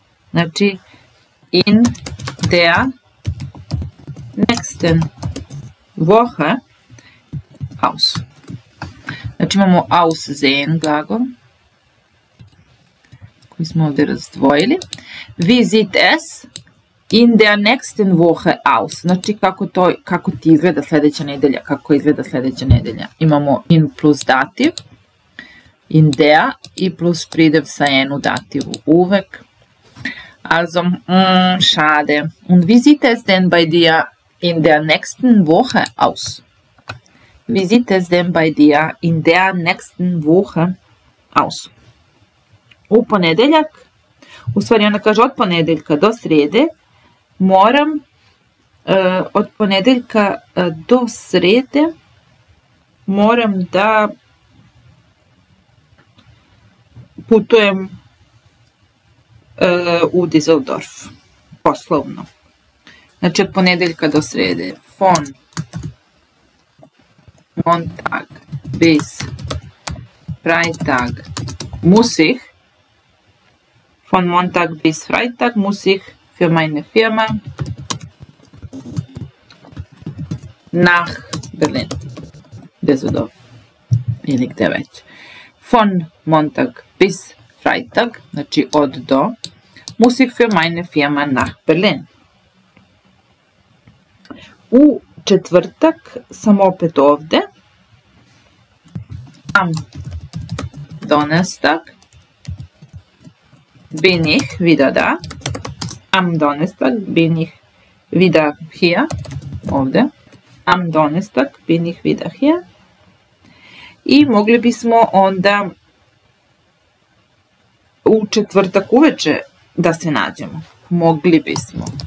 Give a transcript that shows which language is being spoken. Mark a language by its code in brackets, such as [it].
[sr] Znači, [de] in der nächsten Woche aus. [sr] Znači imamo aussehen glagol, koji smo ovdje razdvojili. [de] Wie sieht es in der nächsten Woche aus. [sr] Znači kako ti izgleda sljedeća nedelja. Kako izgleda sljedeća nedelja. Imamo in plus dativ. In der i plus pridev sa en u dativu. Uvek. [de] Also, schade. Und wie sieht es denn bei dir in der nächsten Woche aus? Wie sieht es denn bei dir in der nächsten Woche aus? [sr] U ponedeljak. U stvari ona kaže od ponedeljka do srede. Moram od ponedeljka do srede moram da putujem u Düsseldorf poslovno. Znači od ponedeljka do srede [de] von Montag bis Freitag muss ich von Montag bis Freitag muss ich für meine Firma nach Berlin. Düsseldorf. Hier liegt der Weg. Von Montag bis Freitag, [sr] znači od do, [de] muss ich für meine Firma nach Berlin. [sr] U četvrtak sam opet ovde. [de] Am Donnerstag bin ich wieder da. Am Donnerstag bin ich wieder hier, [sr] ovde. [de] Am Donnerstag bin ich wieder hier. [sr] I mogli bismo onda u četvrtak uveče da se nađemo. Mogli bismo.